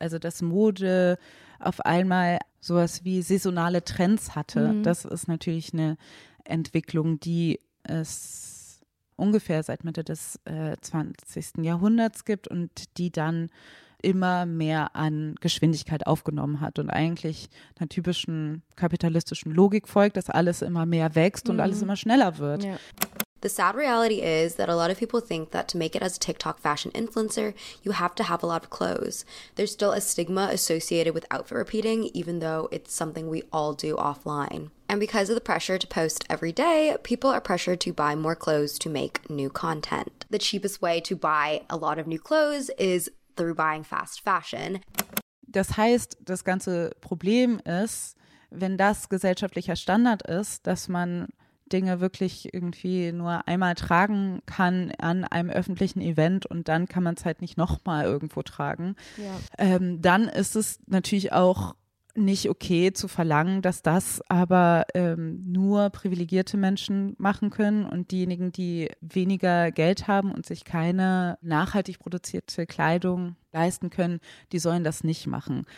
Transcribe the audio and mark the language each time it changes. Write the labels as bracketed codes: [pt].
[de] Also dass Mode auf einmal sowas wie saisonale Trends hatte, das ist natürlich eine Entwicklung, die es ungefähr seit Mitte des 20. Jahrhunderts gibt und die dann immer mehr an Geschwindigkeit aufgenommen hat und eigentlich einer typischen kapitalistischen Logik folgt, dass alles immer mehr wächst und alles immer schneller wird. [en] Yeah. The sad reality is that a lot of people think that to make it as a TikTok fashion influencer, you have to have a lot of clothes. There's still a stigma associated with outfit repeating, even though it's something we all do offline. And because of the pressure to post every day, people are pressured to buy more clothes to make new content. The cheapest way to buy a lot of new clothes is through buying fast fashion. [de] Das heißt, das ganze Problem ist, wenn das gesellschaftlicher Standard ist, dass man Dinge wirklich irgendwie nur einmal tragen kann an einem öffentlichen Event und dann kann man es halt nicht nochmal irgendwo tragen, dann ist es natürlich auch nicht okay zu verlangen, dass das aber nur privilegierte Menschen machen können und diejenigen, die weniger Geld haben und sich keine nachhaltig produzierte Kleidung leisten können, die sollen das nicht machen.